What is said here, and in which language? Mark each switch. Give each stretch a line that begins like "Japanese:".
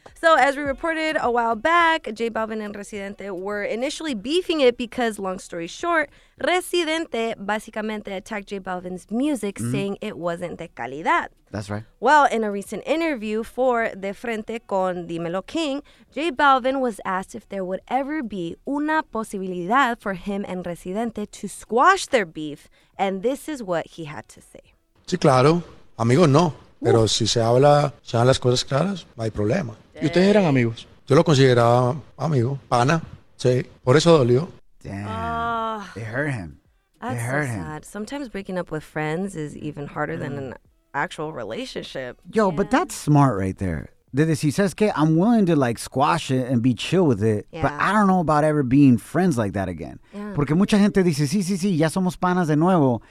English: So, as we reported a while back, J Balvin and Residente were initially beefing it because, long story short, Residente basically attacked J Balvin's music, saying it wasn't
Spanish: de calidad.
English: That's right. Well, in a recent interview for De Frente con Dímelo King, J Balvin was asked if there would ever be
Spanish: una posibilidad
English: for him and Residente to squash their beef, and this is what he had to say.
Spanish: Sí, claro. Amigo, no. Pero si se habla, se dan las cosas claras, no hay problema. Y ustedes eran amigos. Yo lo consideraba amigo, pana. Sí. Por eso dolió.
English: Damn. It hurt him. That's so sad. Sometimes breaking up with friends is even harder than an actual relationship. Yo, but that's smart right there. He says, okay, I'm willing to like squash it and be chill with it, but I don't know about ever being friends like that again. Yeah.
Spanish: Porque mucha gente dice, sí, ya somos panas de nuevo.